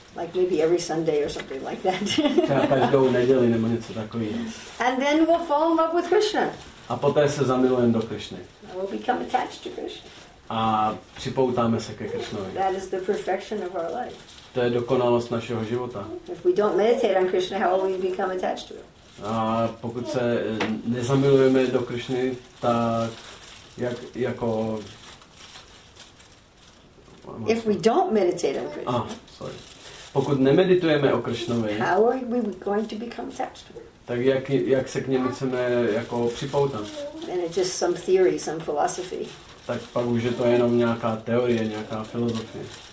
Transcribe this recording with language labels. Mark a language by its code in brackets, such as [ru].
[en] Like maybe every Sunday or something like that. [cs] Třeba každou neděli nebo něco takového. [en] And then we'll fall in love with Krishna. [cs] A poté se zamilujeme do Krishny. [en] We'll become attached to Krishna. [cs] A připoutáme se ke Krishnovi. [en] That is the perfection of our life. [cs] To je dokonalost našeho života. [en] If we don't meditate on Krishna, how will we become attached to him? [cs] A pokud se nezamilujeme do Krishny, tak jak jako [en] if we don't meditate on Krishna. [cs] Pokud nemeditujeme o Krishnovi, [en] how are we going to become attached to him? [cs] Tak jak se k němu chceme jako připoutat? [en] And it's just some theory, some philosophy. [cs] Tak pak už je to jenom nějaká teorie, nějaká filozofie.